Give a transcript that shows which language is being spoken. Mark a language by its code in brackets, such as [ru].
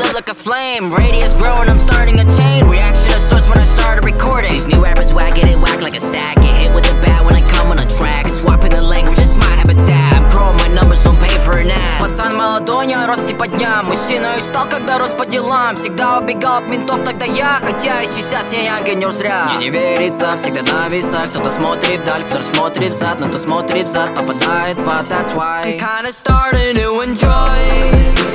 [en] Flame, radius growing, I'm starting a chain. Reaction of sorts when I start a recording. These new rappers wagging it, whack like a sack. Get hit with the bat when I come on a track. Swapping the language, it's my habitat. I'm growing my numbers, don't pay for an ad. [ru] Пацан молодой, не рос и по дням. Мужчина и стал, когда рос по делам. Всегда убегал от ментов, тогда я. Хотя и сейчас я янгин, не усря. Мне не верится, всегда на весах. Кто-то смотрит вдаль, кто-то смотрит взад. Но кто смотрит взад, попадает в ад, [en] that's why. I'm kinda starting to enjoy.